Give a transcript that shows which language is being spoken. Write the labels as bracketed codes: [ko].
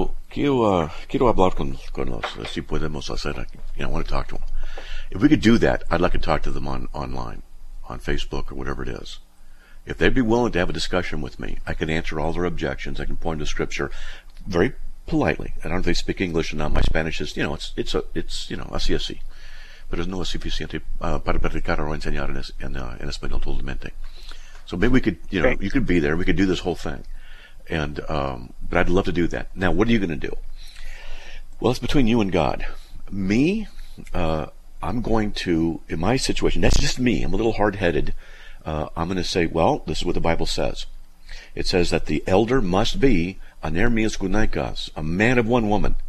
[es] Quiero hablar con los si podemos hacer. [en] I want to talk to them. If we could do that, I'd like to talk to them online, on Facebook or whatever it is. If they'd be willing to have a discussion with me, I can answer all their objections. I can point to Scripture very politely. I don't know if they speak English or not. My Spanish is, you know, [es] así, así. Pero no es suficiente para predicar o enseñar en español totalmente. [en] So maybe we could, you could be there. We could do this whole thing. And but I'd love to do that. Now, what are you going to do? Well, it's between you and God. Me, I'm going to, in my situation, that's just me. I'm a little hard-headed. I'm going to say, well, this is what the Bible says. It says that the elder must be anermias gunaikas, a man of one woman.